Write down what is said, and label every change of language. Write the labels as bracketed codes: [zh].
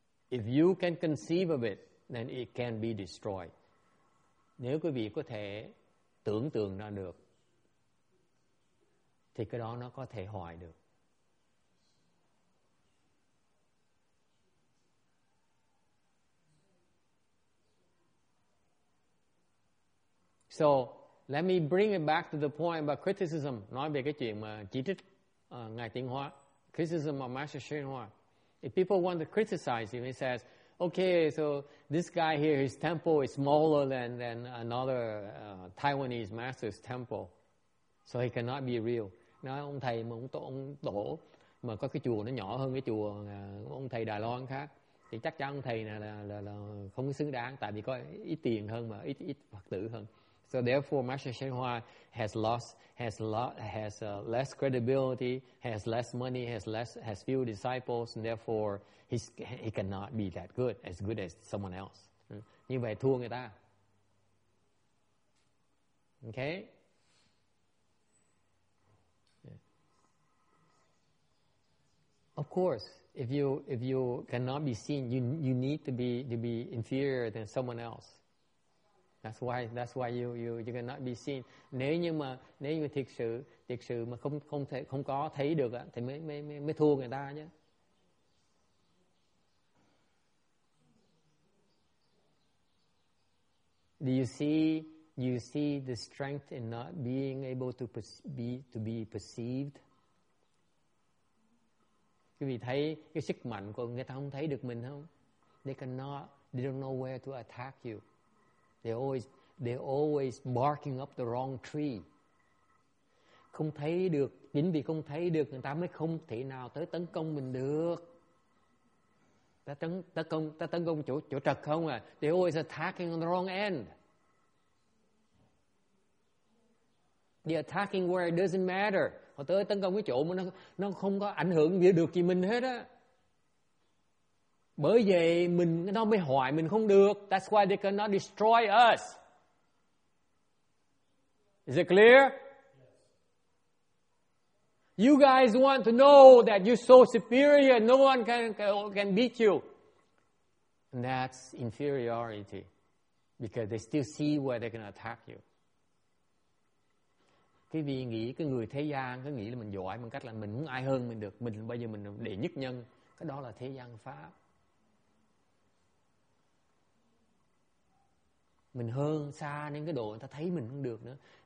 [en] If you can conceive of it, then it can be destroyed. [vi] Nếu quý vị có thể tưởng tượng ra được, thì cái đó nó có thể hoại được. [en] So, let me bring it back to the point about criticism. [vi] Nói về cái chuyện mà chỉ trích Ngài Tịnh Hóa. [en] Criticism of Master Shen Hua. If people want to criticize him, he says, okay, so this guy here, his temple is smaller than another Taiwanese master's temple. So he cannot be real. [vi] Nói ông thầy mà ông tổ mà có cái chùa nó nhỏ hơn cái chùa ông thầy Đài Loan khác. Thì chắc chắn ông thầy này là không xứng đáng tại vì có ít tiền hơn mà ít Phật tử hơn. [en] So therefore, Master Shen Hua has less credibility, has less money, has few disciples, and therefore he cannot be that good as someone else. [vi] Như vậy thua người ta. Okay. [en] Of course, if you cannot be seen, you need to be inferior than someone else. That's why you cannot be seen. [vi] Nếu như thực sự mà không thể không có thấy được á, thì mới thua người ta nhé. [en] Do you see the strength in not being able to be perceived? [vi] Quý vị thấy cái sức mạnh của người ta không thấy được mình không? [en] They don't know where to attack you. They're always barking up the wrong tree. [vi] Không thấy được, chính vì không thấy được người ta mới không thể nào tới tấn công mình được. Ta tấn công chỗ trật không à? [en] They're always attacking on the wrong end. They're attacking where it doesn't matter. [vi] Họ tới tấn công cái chỗ mà nó không có ảnh hưởng gì được gì mình hết á. Bởi vậy mình nó mới hoại mình không được. [en] That's why they cannot destroy us. Is it clear? You guys want to know that you're so superior, no one can beat you. And that's inferiority, because they still see where they can attack you. [vi] Cái vì nghĩ cái người thế gian cứ nghĩ là mình giỏi bằng cách là mình muốn ai hơn mình được, mình bây giờ mình đệ nhất nhân, cái đó là thế gian pháp. Mình hơn xa nên cái độ người ta thấy mình không được nữa.